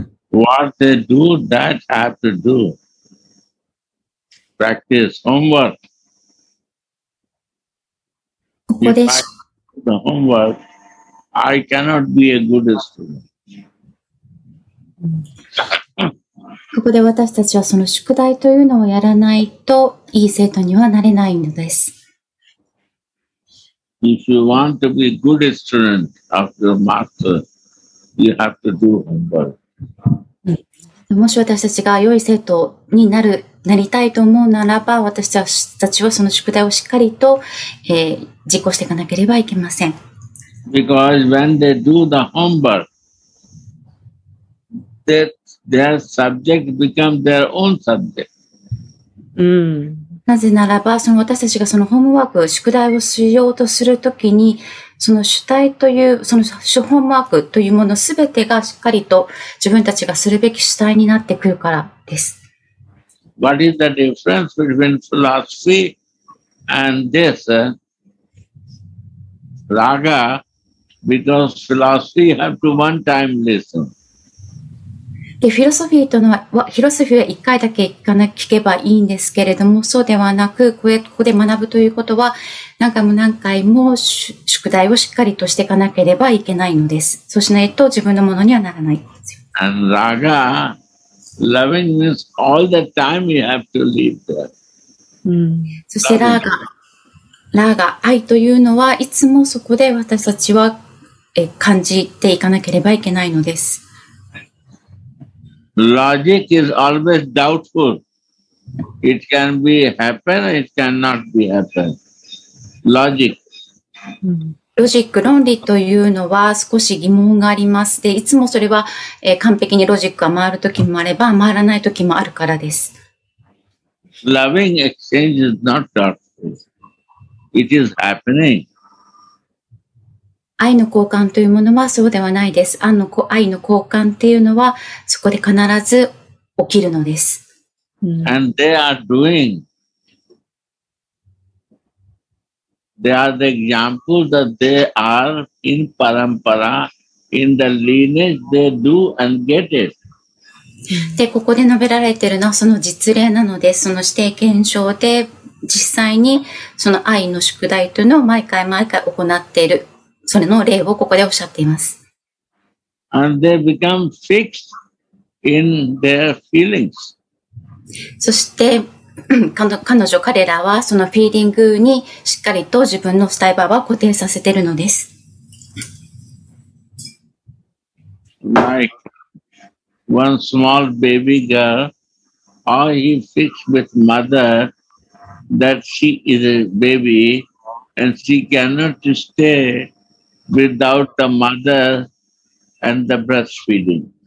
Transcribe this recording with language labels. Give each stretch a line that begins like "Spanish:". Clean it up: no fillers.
English: What they do, that I have to do. Practice homework. If I do the homework, I cannot be a good student.
Japanese: ここで私たちはその宿題というのをやらないといい生徒にはなれないのです。
English: If you want to be a good student of your master, you have to do homework.
Japanese: もし私たちが良い生徒になる、なりたいと思うならば、私たちはその宿題をしっかりと、実行していかなければいけません。
English: Because when they do the homework,Their subject become their own subject.
Japanese: なぜならば、その私たちがそのホームワーク、宿題をしようとするときに、その主体という、その主ホームワークというものすべてがしっかりと自分たちがするべき主体になってくるからです。
English: What is the difference between philosophy and this? Raga, because philosophy have to one time listen.
Japanese: でフィロソフィーとのは、フィロソフィーは一回だけ聞けばいいんですけれども、そうではなく、ここで学ぶということは、何回も何回も宿題をしっかりとしていかなければいけないのです。そうしないと自分のものにはならないんですよ。
English: And raga, loving means all the time you have to leave there.
Japanese: そしてラーガ、愛というのは、いつもそこで私たちは感じていかなければいけないのです。
English: Logic is always doubtful. It can be happen, it cannot be happen. Logic.
Japanese: Logic, 論理というのは少し疑問があります。で、いつもそれは、完璧にロジックが回るときもあれば、回らないときもあるからです。
English: Loving exchange is not doubtful. It is happening.
Japanese: 愛の交換というものはそうではないです。愛の交換っていうのはそこで必ず起きるのです。
English: And they are doing. They are the example that they are in parampara, in the lineage, they do and get it.
Japanese: で、ここで述べられているのはその実例なので、その指定検証で実際にその愛の宿題というのを毎回毎回行っている。それの例をここでおっしゃっています。
English: And they become fixed in their feelings.
Japanese: そして彼女彼らはそのフィーリングにしっかりと自分のスタイバーは固定させているのです。
English: Like one small baby girl, all he fixed with mother that she is a baby and she cannot stayWithout the mother and the breastfeeding.